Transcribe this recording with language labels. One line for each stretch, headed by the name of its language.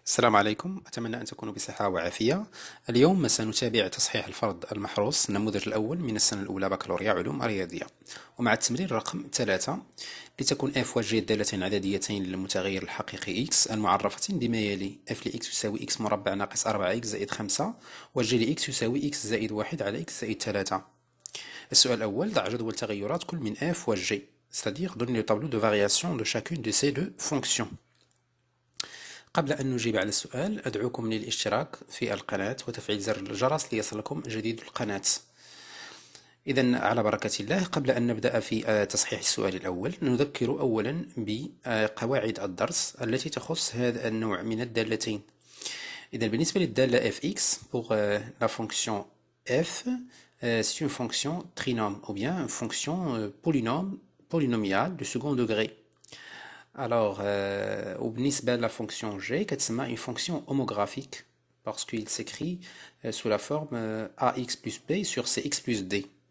Arabic: السلام عليكم، أتمنى أن تكونوا بصحة وعافية. اليوم سنتابع تصحيح الفرض المحروس النموذج الأول من السنة الأولى بكالوريا علوم رياضية، ومع التمرير رقم 3 لتكون f و g دالتين عدديتين للمتغير الحقيقي x المعرفة بما يلي: f لx يساوي x مربع ناقص 4x زائد 5، و g لx يساوي x زائد 1 على x زائد 3. السؤال الأول: ضع جدول تغيرات كل من f و g،
French: c'est-à-dire donne le tableau de variation de chacune de ces deux fonctions.
Arabic: قبل أن نجيب على السؤال، أدعوكم للاشتراك في القناة وتفعيل زر الجرس ليصلكم جديد القناة. إذا على بركة الله، قبل أن نبدأ في تصحيح السؤال الأول، نذكر أولا بقواعد الدرس التي تخص هذا النوع من الدالتين. إذا بالنسبة للدالة
French: fx pour la fonction f c'est une fonction trinôme ou bien une fonction polynôme polynomial de second degré. Alors, وبالنسبة لا فونكسيون جي
Arabic: كتسمى
French: اون فونكسيون هوموغرافيك باسكو il s'écrit sous la forme ax plus b sur cx plus d.